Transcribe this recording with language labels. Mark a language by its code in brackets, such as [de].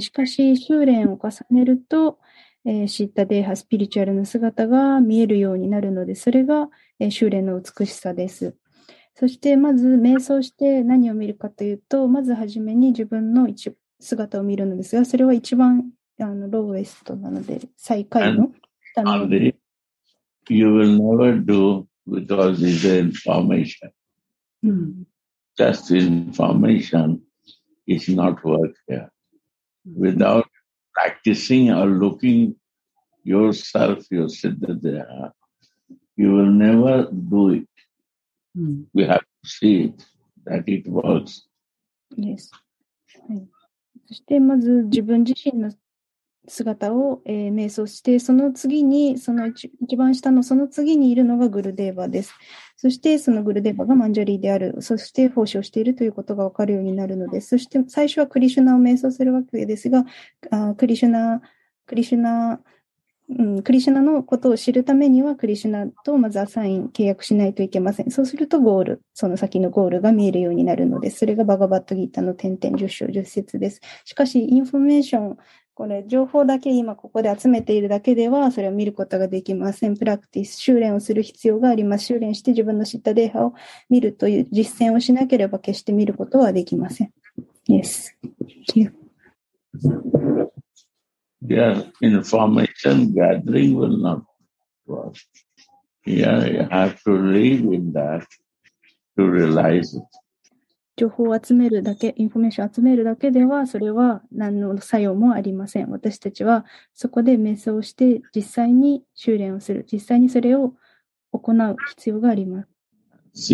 [ja] しかし修練を重ねると、シッタデーハスピリチュアルな姿が見えるようになるので、それが、修練の美しさです。そしてまず瞑想して何を見るかというと、まずはじめに自分の姿を見るのですが、それは一番ローウエストなので最下位の下の。 [en] And you will never do because it's information. Just information is not work here. Without practicing or looking yourself, your Siddha Deha, you will never do it. We have to see it, that it works. Yes. [ja] そしてまず自分自身の姿を、瞑想して、その次に、その一番下のその次にいるのがグルデーバです。そしてそのグルデーバがマンジャリーである、そして奉仕をしているということが分かるようになるのです。そして最初はクリシュナを瞑想するわけですが、クリシュナのことを知るためにはクリシュナとまずアサイン契約しないといけません。そうするとゴール、その先のゴールが見えるようになるのです。それがバガバットギータの点々10章10節です。しかしインフォメーション、これ情報だけ今ここで集めているだけではそれを見ることができません。プラクティス、修練をする必要があります。修練して自分の知ったデーハを見るという実践をしなければ決して見ることはできません。 [en] Yes. Thank you. Yeah, information gathering will not work. Yeah, you have to live in that to realize it. [ja] 情報を集めるだけ、インフォメーションを集めるだけでは、それは何の作用もありません。私たちはそこで瞑想をして、実際に修練をする、実際にそれを行う必要があります。